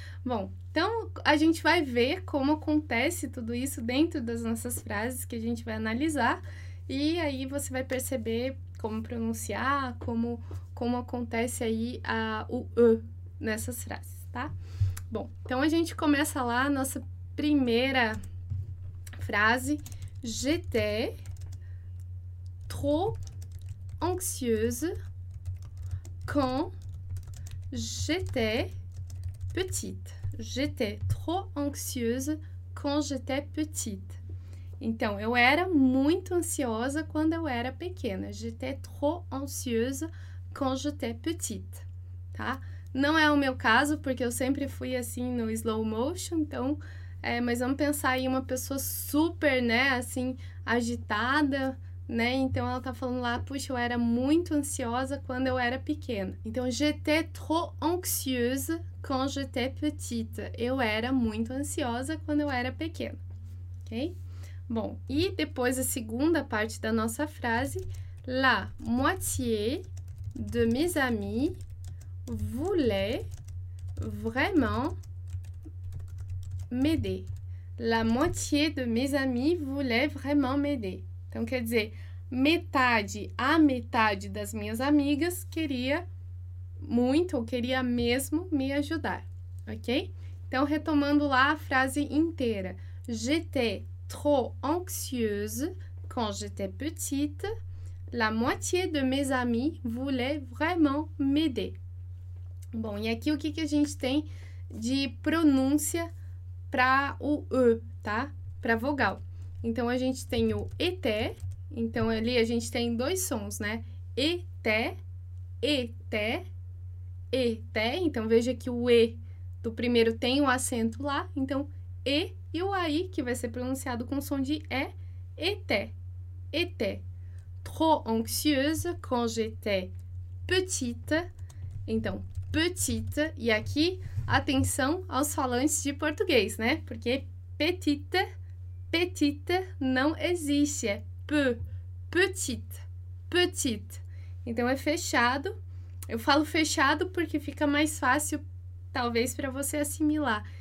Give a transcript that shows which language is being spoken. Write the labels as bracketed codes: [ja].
[pt] Bom, então a gente vai ver como acontece tudo isso dentro das nossas frases que a gente vai analisar, e aí você vai perceber como pronunciar, como acontece aí o E nessas frases, tá? Bom, então a gente começa lá a nossa primeira frase. [fr] J'étais trop anxieuse quand j'étais petite. J'étais trop anxieuse quand j'étais petite. [pt] Então, eu era muito ansiosa quando eu era pequena. [fr] J'étais trop anxieuse quand j'étais petite. [pt] Tá? Não é o meu caso, porque eu sempre fui assim no slow motion, então, mas vamos pensar em uma pessoa super, né, assim, agitada. Né? Então ela tá falando lá, puxa, eu era muito ansiosa quando eu era pequena. [fr] Então, j'étais trop anxieuse quand j'étais petite. [pt] Eu era muito ansiosa quando eu era pequena. Ok? Bom, e depois a segunda parte da nossa frase: [fr] La moitié de mes amis voulait vraiment m'aider. La moitié de mes amis voulaient vraiment m'aider. [pt] Então, quer dizer, metade a metade das minhas amigas queria muito ou queria mesmo me ajudar, ok? Então, retomando lá a frase inteira. [fr] J'étais trop anxieuse quand j'étais petite. La moitié de mes amis voulait vraiment m'aider. [pt] Bom, e aqui o que que a gente tem de pronúncia para o E, tá? Para vogal. Então, a gente tem o ETÉ. Então, ali a gente tem dois sons, né? ETÉ, ETÉ, ETÉ. Então, veja que o E do primeiro tem o acento lá. Então, E e o AI, que vai ser pronunciado com som de E, ETÉ, ETÉ. [fr] Trop anxieuse quand j'étais petite. [pt] Então, petite. E aqui, atenção aos falantes de português, né? Porque petite, petite não existe. É peu, petite, petite. Então, é fechado. Eu falo fechado porque fica mais fácil, talvez, para você assimilar.